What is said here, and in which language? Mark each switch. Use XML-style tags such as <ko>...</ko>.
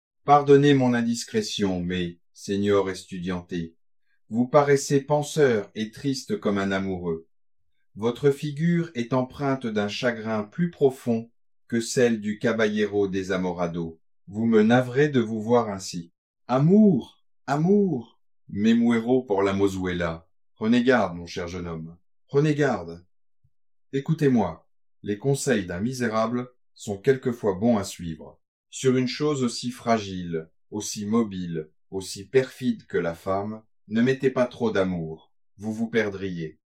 <fr>« Pardonnez mon indiscrétion, mais, seigneur estudianté, vous paraissez penseur et triste comme un amoureux. Votre figure est empreinte d'un chagrin plus profond que celle du caballero des Amorado. Vous me navrez de vous voir ainsi. Amour, amour,</fr> <es>me muero por la mozuela.</es> <fr>Prenez garde, mon cher jeune homme, prenez garde. » Écoutez-moi, les conseils d'un misérable sont quelquefois bons à suivre. Sur une chose aussi fragile, aussi mobile, aussi perfide que la femme, ne mettez pas trop d'amour, vous vous perdriez.</fr>